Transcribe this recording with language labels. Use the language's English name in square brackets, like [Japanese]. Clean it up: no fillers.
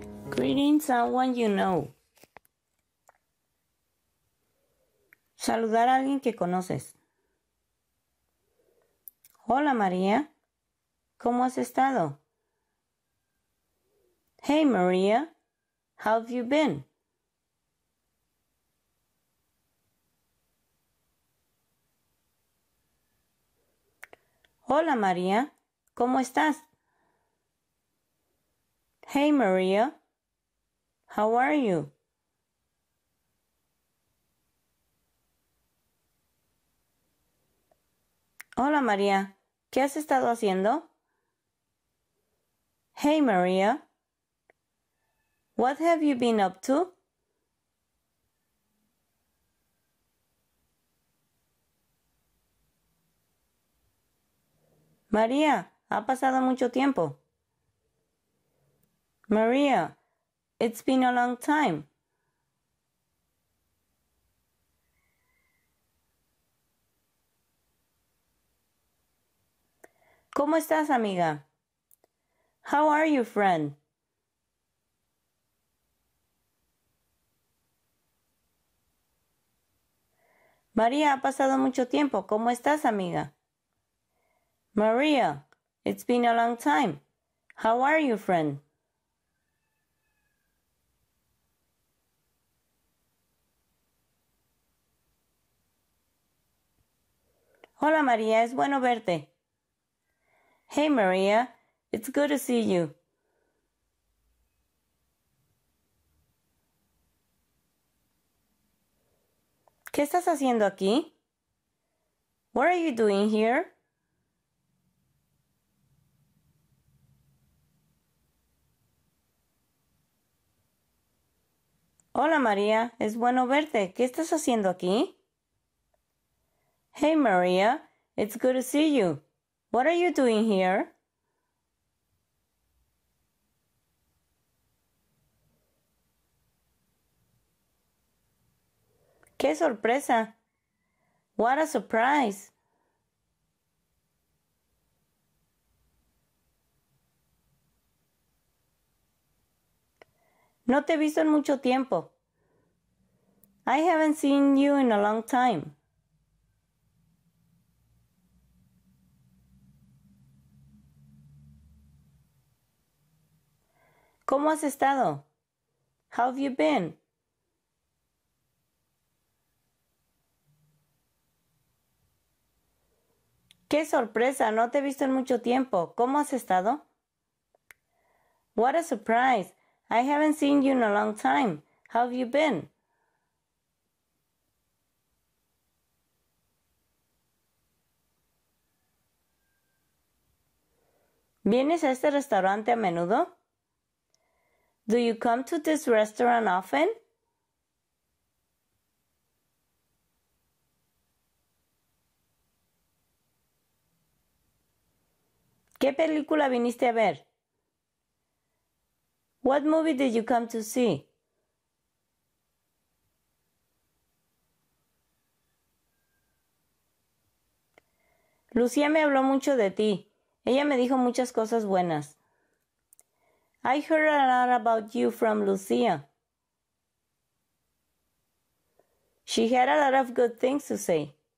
[English] Greeting someone you know. [Spanish] Saludar a alguien que conoces. Hola María, ¿cómo has estado? [English] Hey María, how have you been? [Spanish] Hola María, ¿cómo estás? [English] Hey María, how are you? [Spanish] Hola María, ¿qué has estado haciendo? [English] Hey María, what have you been up to? [Spanish] María, ha pasado mucho tiempo. [English] María, it's been a long time. [Spanish] ¿Cómo estás, amiga? [English] How are you, friend? [Spanish] María, ha pasado mucho tiempo. ¿Cómo estás, amiga? [English] María, it's been a long time. How are you, friend? [Spanish] Hola, María, es bueno verte. [English] Hey, María, it's good to see you. [Spanish] ¿Qué estás haciendo aquí? [English] What are you doing here? [Spanish] Hola, María, es bueno verte. ¿Qué estás haciendo aquí? [English] Hey, María, it's good to see you. What are you doing here? [Spanish] ¡Qué sorpresa! [English] What a surprise! [Spanish] No te he visto en mucho tiempo. [English] I haven't seen you in a long time. [Spanish] ¿Cómo has estado? [English] How have you been? [Spanish] ¡Qué sorpresa! No te he visto en mucho tiempo. ¿Cómo has estado? [English] What a surprise! I haven't seen you in a long time. How have you been? [Spanish] ¿Vienes a este restaurante a menudo? [English] Do you come to this restaurant often? [Spanish] ¿Qué película viniste a ver? [English] What movie did you come to see? [Spanish] Lucía me habló mucho de ti. Ella me dijo muchas cosas buenas. [English] I heard a lot about you from Lucia. She had a lot of good things to say.